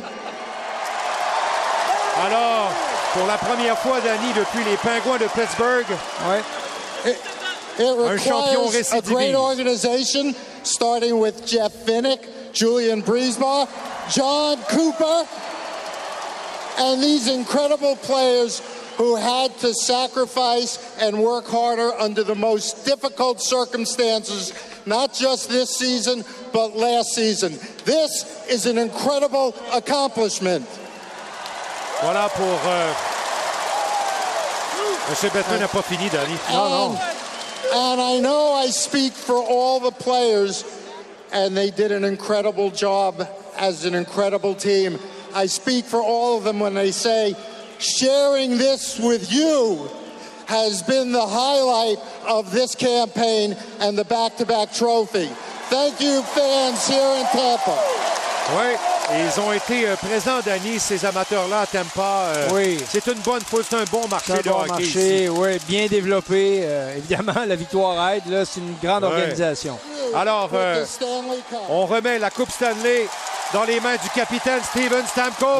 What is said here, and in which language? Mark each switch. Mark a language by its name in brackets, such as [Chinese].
[French] Alors, pour la première fois, Danny, depuis les Penguins de Pittsburgh, un champion récidive. [English] A great organization, starting with Jeff Binnick, Julian Briesma, John Cooper, and these incredible players who had to sacrifice and work harder under the most difficult circumstances, not just this season, but last season. This is an incredible accomplishment. [French] Voilà pour... Monsieur Bettman n'a pas fini, Danny. Non. [English] And I know I speak for all the players, and they did an incredible job as an incredible team. I speak for all of them when they say, sharing this with you has been the highlight of this campaign and the back-to-back trophy. Thank you, fans here in Tampa. [French] Oui, ils ont été présents, Danny, ces amateurs-là à Tampa. C'est une bonne foule, c'est un bon marché de hockey. C'est un bon marché, oui, bien développé. Évidemment, la victoire aide, là, c'est une grande organisation. Alors, on remet la Coupe Stanley dans les mains du capitaine Steven Stamkos.